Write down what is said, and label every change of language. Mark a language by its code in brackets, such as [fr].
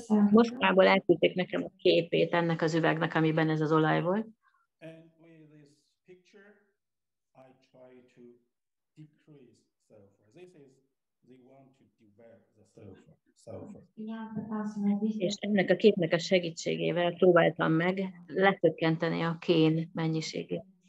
[hu] Moszkvából elküldték nekem a képét ennek az üvegnek, amiben ez az olaj volt. [en] And with this picture, I try to decrease sulfur. This is, they want to develop the sulfur. [hu] És ennek a képnek a segítségével próbáltam meg lecsökkenteni a kén mennyiségét.